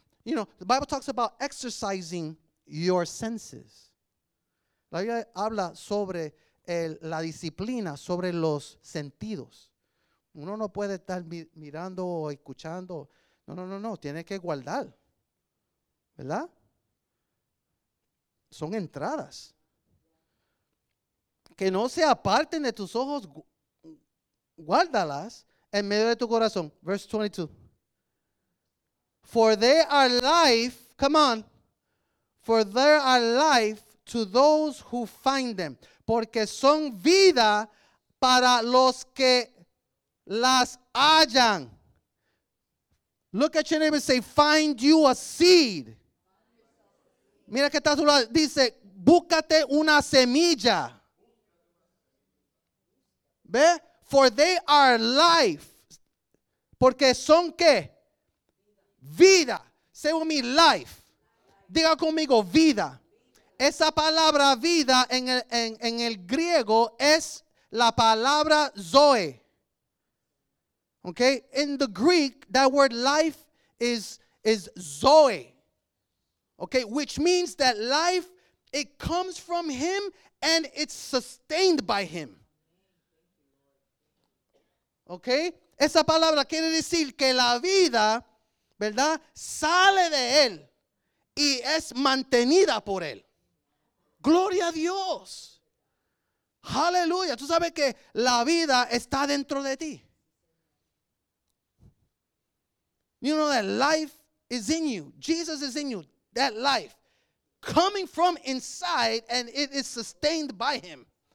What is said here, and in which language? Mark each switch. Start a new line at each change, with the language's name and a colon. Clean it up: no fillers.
English: you know, the Bible talks about exercising your senses.
Spanish: La Biblia habla sobre la disciplina, sobre los sentidos. Uno no puede estar mirando o escuchando. No, tiene que guardar. ¿Verdad? Son entradas. Que no se aparten de tus ojos, guárdalas en medio de tu corazón.
English: Verse 22. For they are life, come on, for they are life to those who find them.
Spanish: Porque son vida para los que las hallan.
English: Look at your neighbor and say, find you a seed.
Spanish: Mira que está a tu lado, dice, búscate una semilla.
English: ¿Ve? For they are life.
Spanish: Porque son qué? Vida. Say with me, life. Diga conmigo, vida. Esa palabra vida en el griego es la palabra zoe.
English: Okay? In the Greek, that word life is zoe. Okay? Which means that life, it comes from him and it's sustained by him. Okay?
Spanish: Esa palabra quiere decir que la vida, ¿verdad? Sale de él y es mantenida por él. Gloria a Dios. Aleluya. Tú sabes que la vida está dentro de ti.
English: You know that life is in you. Jesus is in you. That life coming from inside and it is sustained by him.